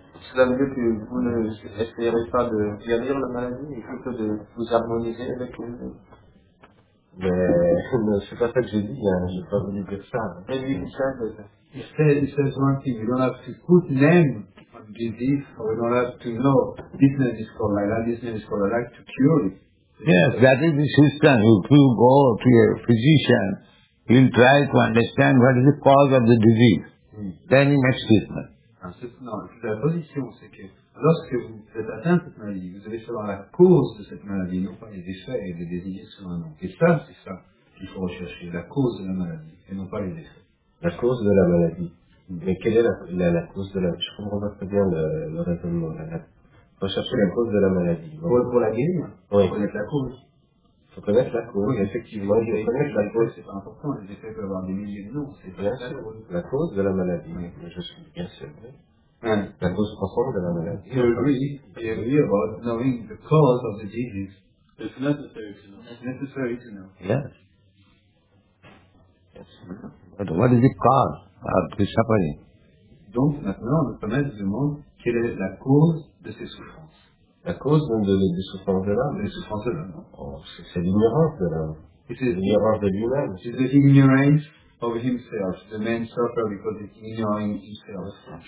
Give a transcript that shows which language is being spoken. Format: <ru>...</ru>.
<fr>Cela veut dire que vous ne essayerez pas de guérir la maladie, mais plutôt de vous harmoniser avec elle. Mais c'est pas ça que j'ai dit, j'ai pas voulu dire ça. Mais lui, il sait.</fr> <en>He says one thing, you don't have to put name on disease, or you don't have to know this name is called like that, this name is called like to cure it. Yes, that is the system. If you go to a physician, he'll try to understand what is the cause of the disease. Then he makes treatment.</en> <fr>La position, c'est que lorsque vous êtes atteint de cette maladie, vous allez savoir la cause de cette maladie, non pas les effets et les désirs sur un nom. Et ça, c'est ça qu'il faut rechercher, la cause de la maladie, et non pas les effets. La cause de la maladie. Mais quelle est la cause de la... Je comprends pas très bien le raisonnement. La, la, rechercher la cause de la maladie. Pour la guérir, oui. Connaître la cause. Faut connaître la cause, oui, effectivement. Faut connaître la cause, c'est pas important. Les effets peuvent avoir des milliers de noms. C'est bien sûr. La cause de la maladie. Oui. Je suis bien sûr. Oui. La cause profonde de la maladie.</fr> <en>To agree, to agree about knowing the cause of the disease. It's necessary to know. It's necessary to know. Yes. Yes. But what is the cause of the suffering?</en> <fr>Donc maintenant, le commerce demande quelle est la cause de ces souffrances. La cause de souffrance de l'âme. Les souffrances de l'âme. Oh, c'est l'ignorance de l'âme. C'est l'ignorance de lui-même. C'est l'ignorance</fr> <en>of himself. The man suffers because he's ignoring himself.</en>